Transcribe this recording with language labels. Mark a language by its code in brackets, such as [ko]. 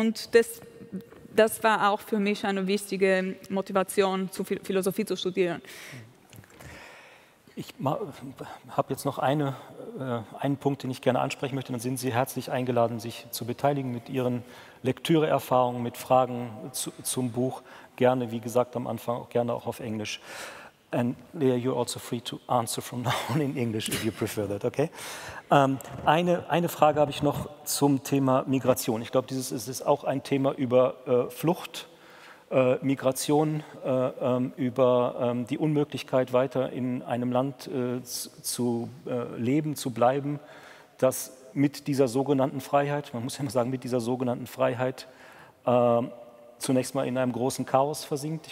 [de] Und das war auch für mich eine wichtige Motivation, zu Philosophie zu studieren. Ich habe jetzt noch einen Punkt, den ich gerne ansprechen möchte, dann sind Sie herzlich eingeladen, sich zu beteiligen mit Ihren Lektüre-Erfahrungen, mit Fragen zum Buch, gerne, wie gesagt, am Anfang auch gerne auch auf Englisch. [en] And Leah, you're also free to answer from now on in English, if you prefer that, okay? [de] Eine Frage habe ich noch zum Thema Migration. Ich glaube, dieses ist auch ein Thema über Flucht, Migration, über die Unmöglichkeit, weiter in einem Land leben, zu bleiben, das mit dieser sogenannten Freiheit, man muss ja mal sagen, mit dieser sogenannten Freiheit zunächst mal in einem großen Chaos versinkt.